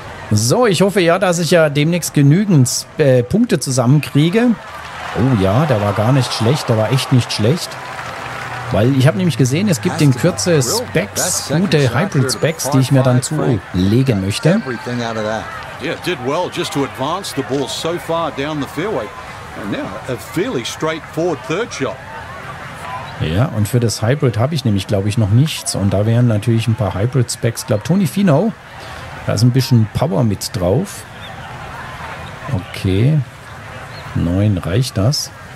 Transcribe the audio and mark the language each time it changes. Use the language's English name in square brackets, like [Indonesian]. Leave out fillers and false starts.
[German] So, ich hoffe ja, dass ich ja demnächst genügend Punkte zusammenkriege. Oh ja, der war gar nicht schlecht, der war echt nicht schlecht. Weil ich habe nämlich gesehen, es gibt in Kürze Specs, gute Hybrid-Specs, die ich mir dann zulegen möchte. [English] Yeah, did well just to advance the ball so far down the fairway. And now a fairly straightforward third shot. [German] Ja, und für das Hybrid habe ich nämlich, glaube ich, noch nichts. Und da wären natürlich ein paar Hybrid-Specs. Glaub, Tony Finau, da ist ein bisschen Power mit drauf. Okay. 9 reicht das.